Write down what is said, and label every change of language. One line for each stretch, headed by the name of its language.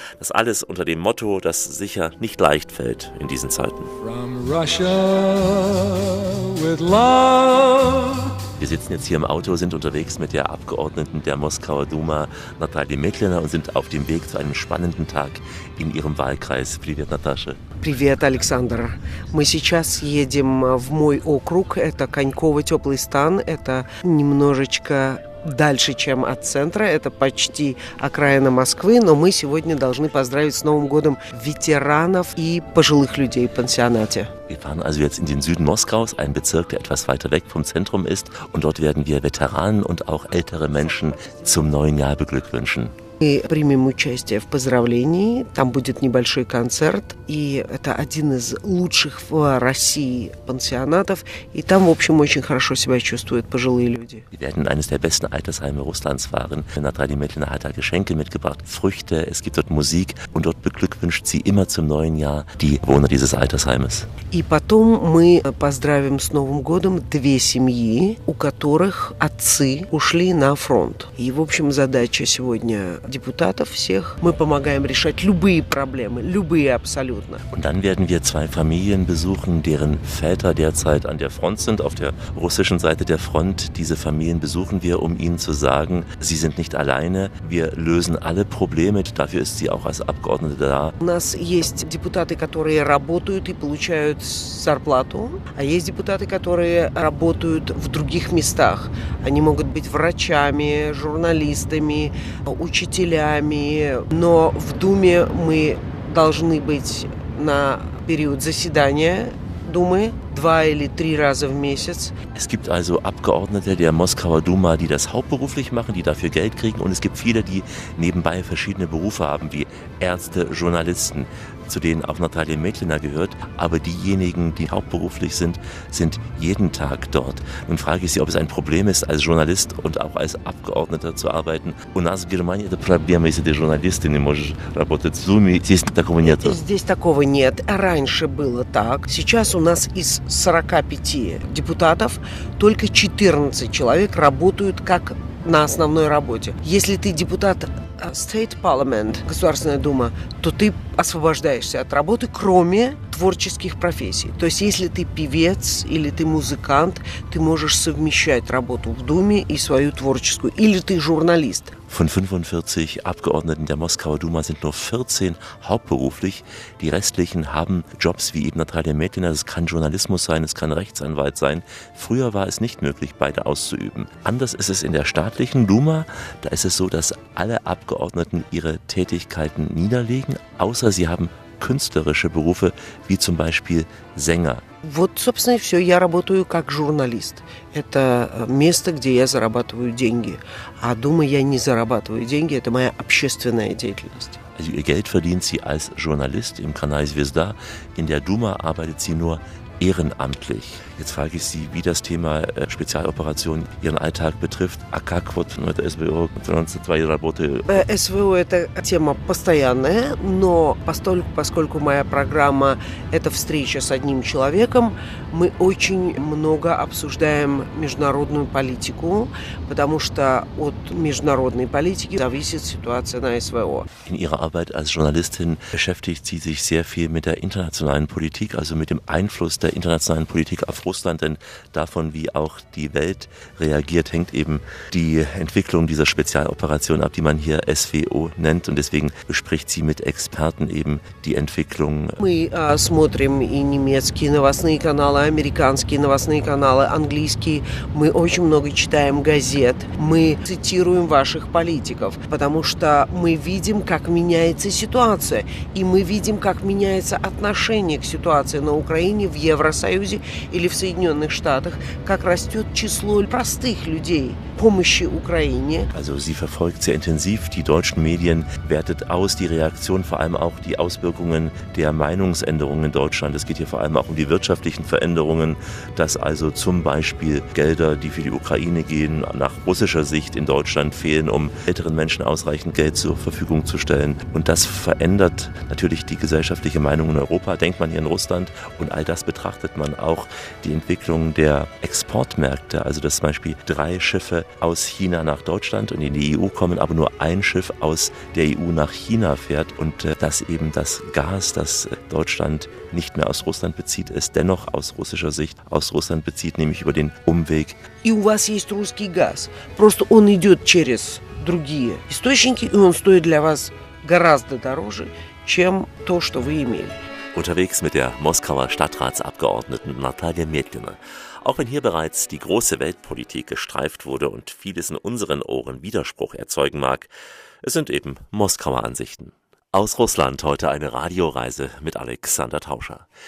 German: Das alles unter dem Motto, das sicher nicht leicht fällt in diesen Zeiten.
English: From Russia with love.
German: Wir sitzen jetzt hier im Auto, sind unterwegs mit der Abgeordneten der Moskauer Duma, Natalia Metlina, und sind auf dem Weg zu einem spannenden Tag in ihrem Wahlkreis.
Russian: Привет, Наташа. Привет, Александр. Мы сейчас едем в мой округ. Это Коньково, теплый стан. Это немножечко дальше, чем от центра, это почти окраина Москвы, но мы сегодня должны поздравить с Новым годом ветеранов и пожилых людей в пансионате.
German: Wir fahren also jetzt in den Süden Moskaus, ein Bezirk, der etwas weiter weg vom Zentrum ist, und dort werden wir Veteranen und auch ältere Menschen zum neuen Jahr beglückwünschen.
Russian: Мы примем участие в поздравлении, там будет небольшой концерт, и это один из лучших в России пансионатов, и там, в общем, очень хорошо себя чувствуют пожилые люди.
German: Wir werden in eines der besten Altersheime Russlands fahren. Natalia Metlina hat da Geschenke mitgebracht, Früchte, es gibt dort Musik, und dort beglückwünscht sie immer zum neuen Jahr die Bewohner dieses Altersheimes.
Russian: И потом мы поздравим с Новым годом две семьи, у которых отцы ушли на фронт. И, в общем, задача сегодня депутатов всех. Мы помогаем решать любые проблемы, любые абсолютно.
German: Und dann werden wir zwei Familien besuchen, deren Väter derzeit an der Front sind, auf der russischen Seite der Front. Diese Familien besuchen wir, um ihnen zu sagen, sie sind nicht alleine. Wir lösen alle Probleme. Dafür ist sie auch als Abgeordnete da.
Russian: У нас есть депутаты, которые работают и получают зарплату, а есть депутаты, которые работают в других местах. Они могут быть врачами, журналистами, учителями, но в Думе мы должны быть на период заседания Думы два или три раза в месяц.
German: Es gibt also Abgeordnete der Moskauer Duma, die das hauptberuflich machen, die dafür Geld kriegen, und es gibt viele, die nebenbei verschiedene Berufe haben, wie Ärzte, Journalisten, zu denen auch Natalia Metlina gehört, aber diejenigen, die hauptberuflich sind, sind jeden Tag dort. Nun frage ich Sie, ob es ein Problem ist, als Journalist und auch als Abgeordneter zu arbeiten.
Russian: У нас в Германии это проблема, если ты журналист, ты не можешь работать в Думе. Здесь такого нет. Здесь такого нет. Раньше было так. Сейчас у нас из 45 депутатов только 14 человек работают как на основной работе. Если ты депутат
English: State Parliament,
Russian: Государственная Дума, то ты освобождаешься от работы, кроме творческих профессий. То есть, если ты певец или ты музыкант, ты можешь совмещать работу в Думе и свою творческую. Или ты журналист.
German: Von 45 Abgeordneten der Moskauer Duma sind nur 14 hauptberuflich. Die restlichen haben Jobs wie eben Natalia Metina. Es kann Journalismus sein, es kann Rechtsanwalt sein. Früher war es nicht möglich, beide auszuüben. Anders ist es in der staatlichen Duma. Da ist es so, dass alle Abgeordneten ihre Tätigkeiten niederlegen, außer sie haben künstlerische Berufe, wie zum Beispiel Sänger.
Russian: Вот, собственно, и все. Я работаю как журналист. Это место, где я зарабатываю деньги. А дома я не зарабатываю деньги. Это моя общественная деятельность.
German: Also, ihr Geld verdient sie als Journalist im Kanal Zvezda. In der Duma arbeitet sie nur ehrenamtlich. Jetzt frage ich Sie, wie das Thema Spezialoperation Ihren Alltag betrifft.
Russian: А как вот это СВО, финансы твоей работы? СВО – это тема постоянная, но поскольку моя программа – это встреча с одним человеком, мы очень много обсуждаем международную политику, потому что от международной политики зависит ситуация на СВО.
German: In Ihrer Arbeit als Journalistin beschäftigt Sie sich sehr viel mit der internationalen Politik, also mit dem Einfluss der internationalen Politik auf Russland, denn davon, wie auch die Welt reagiert, hängt eben die Entwicklung dieser Spezialoperation ab, die man hier SWO nennt. Und deswegen bespricht sie mit Experten eben die Entwicklung.
Russian: Мы смотрим и немецкие новостные каналы, американские новостные каналы, английские. Мы очень много читаем газет. Мы цитируем ваших политиков, потому что мы видим, как меняется ситуация. И мы видим, как меняется отношение к ситуации на Украине, в Евросоюзе или в Соединенных Штатах, как растет число простых людей помощи Украине.
German: Also sie verfolgt sehr intensiv die deutschen Medien, wertet aus die Reaktion, vor allem auch die Auswirkungen der Meinungsänderungen in Deutschland. Es geht hier vor allem auch um die wirtschaftlichen Veränderungen, dass also zum Beispiel Gelder, die für die Ukraine gehen, nach russischer Sicht in Deutschland fehlen, um älteren Menschen ausreichend Geld zur Verfügung zu stellen. Und das verändert natürlich die gesellschaftliche Meinung in Europa, denkt man hier in Russland. Und all das betrachtet man auch die Entwicklung der Exportmärkte, also dass zum Beispiel drei Schiffe aus China nach Deutschland und in die EU kommen, aber nur ein Schiff aus der EU nach China fährt und dass eben das Gas, das Deutschland nicht mehr aus Russland bezieht, es dennoch aus russischer Sicht aus Russland bezieht, nämlich über den Umweg.
Russian: И у вас есть русский газ, просто он идет через другие источники и он стоит для вас гораздо дороже, чем то, что вы имели.
German: Unterwegs mit der Moskauer Stadtratsabgeordneten Natalia Metlina. Auch wenn hier bereits die große Weltpolitik gestreift wurde und vieles in unseren Ohren Widerspruch erzeugen mag, es sind eben Moskauer Ansichten. Aus Russland heute eine Radioreise mit Alexander Tauscher.